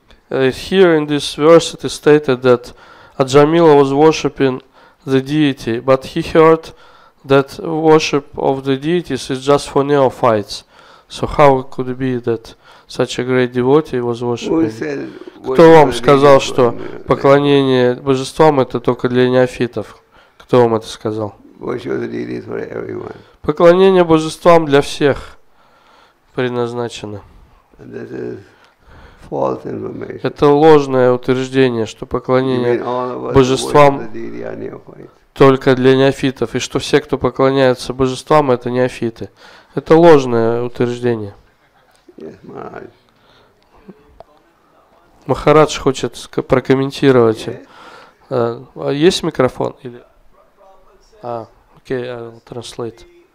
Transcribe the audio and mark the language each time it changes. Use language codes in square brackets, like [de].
[en] Here in this verse it is stated that Аджамила was worshiping the deity, but he heard that worship of the deities is just for neophytes. So how could it be that such a great devotee was worshiping? [ru] Кто вам сказал, что поклонение божествам это только для неофитов? Кто вам это сказал? Поклонение божествам для всех предназначено. Это ложное утверждение, что поклонение божествам только для неофитов, и что все, кто поклоняется божествам, это неофиты. Это ложное утверждение. Махарадж хочет прокомментировать. Есть микрофон? Или? [en] Окей, I'll translate.